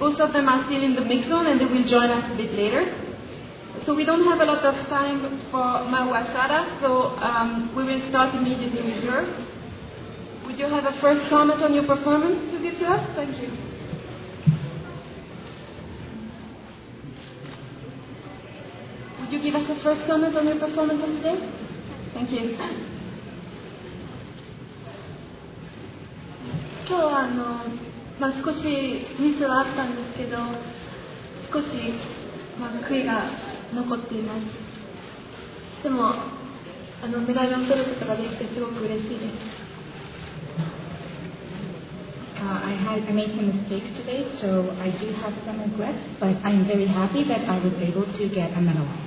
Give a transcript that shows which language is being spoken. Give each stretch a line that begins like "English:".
English: Both of them are still in the mix zone and they will join us a bit later. So we don't have a lot of time for Mao Asara, so we will start immediately with her. Would you have a first comment on your performance to give to us? Thank you. Would you give us a first comment on your performance of today? Thank you.
Japanese: 今日はまあ、少しミスはあったんですけど、少し、まあ、悔いが残っています。でもメダルを取ることができてすごく嬉しいです。
English: I made some mistakes today, so I do have some regrets, but I'm very happy that I was able to get a medal.